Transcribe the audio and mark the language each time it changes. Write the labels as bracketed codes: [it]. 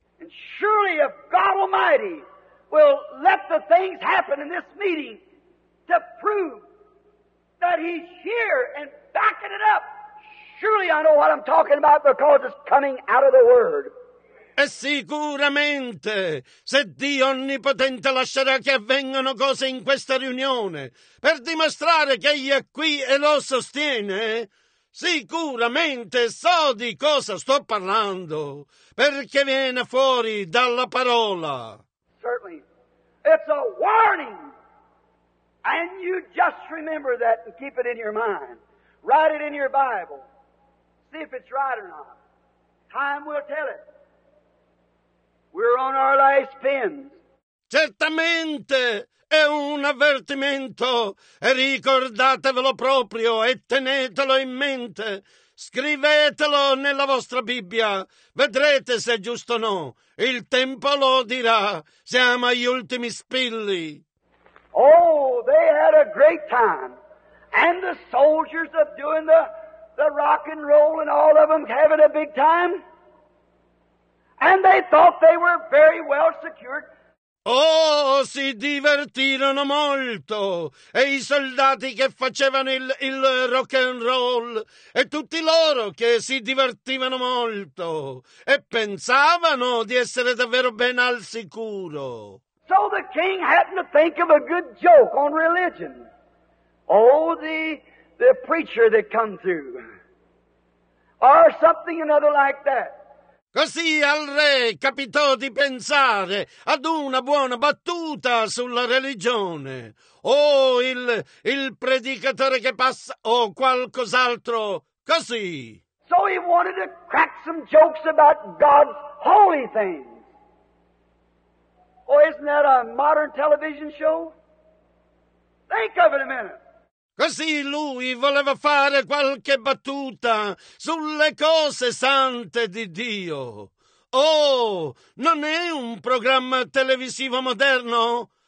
[en] And surely if God Almighty will let the things happen in this meeting to prove that he's here and backing it up. Surely I know what I'm talking about because it's coming out of the Word. [it] E sicuramente, se Dio Onnipotente lascerà che avvengano cose in questa riunione per dimostrare che egli è qui e lo sostiene, sicuramente so di cosa sto parlando, perché viene fuori dalla parola. [en] Certainly. It's a warning. And you just remember that and keep it in your mind. Write it in your Bible. See if it's right or not. Time will tell it. We're on our last pins. [it] Certamente è un avvertimento. E ricordatevelo proprio e tenetelo in mente. Scrivetelo nella vostra Bibbia, vedrete se è giusto o no. Il tempo lo dirà, siamo agli ultimi spilli. [en] Oh, they had a great time. And the soldiers of doing the rock and roll and all of them having a big time. And they thought they were very well secured. [it] Oh, si divertirono molto, e i soldati che facevano il rock and roll, e tutti loro che si divertivano molto, e pensavano di essere davvero ben al sicuro. [en] So the king happened to think of a good joke on religion. Oh, the preacher that come through, or something another like that. [it] Così al re capitò di pensare ad una buona battuta sulla religione. O il predicatore che passa, o qualcos'altro, così. [en] So he wanted to crack some jokes about God's holy things. Oh, isn't that a modern television show? Think of it a minute. [it] Così lui voleva fare qualche battuta sulle cose sante di Dio. Oh, non è un programma televisivo moderno?